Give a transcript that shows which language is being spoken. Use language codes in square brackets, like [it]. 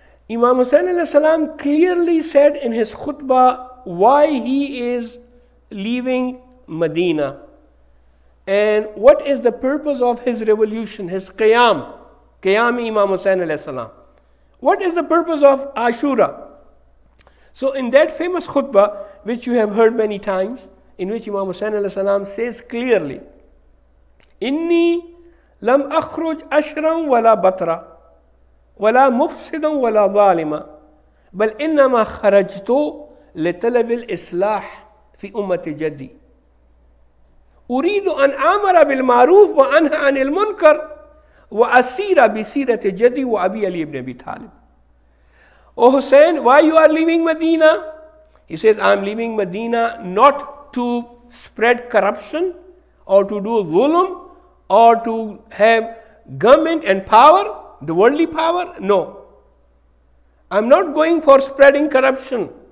[en] Imam Hussain alayhi salam clearly said in his khutbah why he is leaving Medina and what is the purpose of his revolution, his qiyam, qiyam Imam Hussain alayhi salam. What is the purpose of Ashura? So in that famous khutbah, which you have heard many times, in which Imam Hussain alayhi salam says clearly, [ar] "Inni لم أخرج أشرا ولا بطرا ولا مفسدا ولا ظالما بل إنما خرجت لطلب الإصلاح في أمة جدي أريد أن أمر بالمعروف وأنهى عن المنكر وأسير بسيرة جدي وأبي علي بن أبي طالب." [en] O Hussein, why you are leaving Medina? He says, "I am leaving Medina not to spread corruption or to do zulm or to have government and power, the worldly power. No, I'm not going for spreading corruption.